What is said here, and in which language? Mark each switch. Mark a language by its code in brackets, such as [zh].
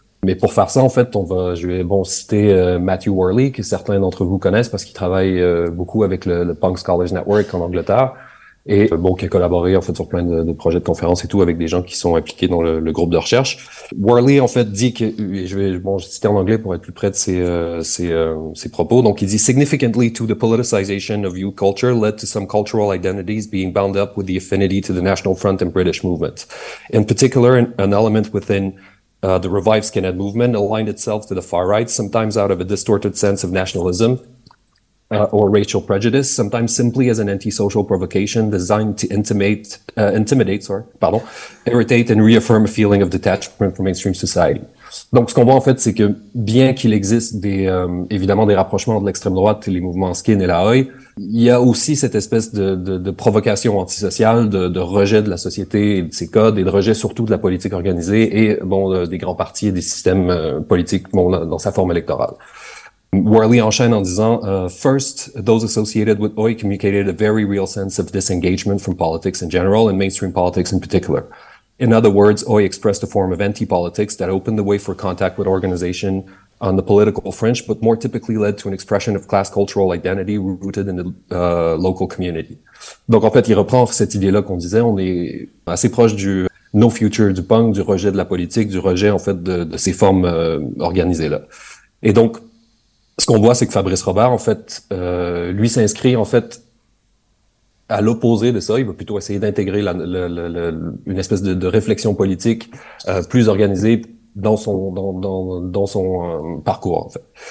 [fr] Mais pour faire ça, en fait, je vais citer Matthew Worley, que certains d'entre vous connaissent parce qu'il travaille beaucoup avec le Punk Scholars Network en Angleterre. Et bon, qui a collaboré, en fait, sur plein de projets de conférences et tout avec des gens qui sont impliqués dans le groupe de recherche. Worley, en fait, dit que, je vais citer en anglais pour être plus près de ses propos. Donc, il dit, [en] significantly to the politicization of youth culture led to some cultural identities being bound up with the affinity to the National Front and British Movement. In particular, an element within the revived skinhead movement aligned itself to the far right, sometimes out of a distorted sense of nationalism, or racial prejudice, sometimes simply as an antisocial provocation designed to intimidate, irritate and reaffirm a feeling of detachment from mainstream society. [fr] Donc, ce qu'on voit, en fait, c'est que bien qu'il existe des, évidemment des rapprochements de l'extrême droite et les mouvements Skin et La Hoye, il y a aussi cette espèce de provocation antisociale, de rejet de la société et de ses codes, et de rejet surtout de la politique organisée et, bon, des grands partis et des systèmes politiques, bon, dans sa forme électorale. Worley enchaîne en disant, [en] first, those associated with Hoye communicated a very real sense of disengagement from politics in general and mainstream politics in particular. In other words, Hoye expressed a form of anti-politics that opened the way for contact with organization on the political fringe, but more typically led to an expression of class cultural identity rooted in the local community. [fr] Donc, en fait, il reprend cette idée-là qu'on disait, on est assez proche du no future du punk, du rejet de la politique, du rejet, en fait, de ces formes organisées-là. Et donc, ce qu'on voit, c'est que Fabrice Robert, en fait, lui s'inscrit, en fait, à l'opposé de ça, il va plutôt essayer d'intégrer une espèce de réflexion politique plus organisée dans son parcours, en fait.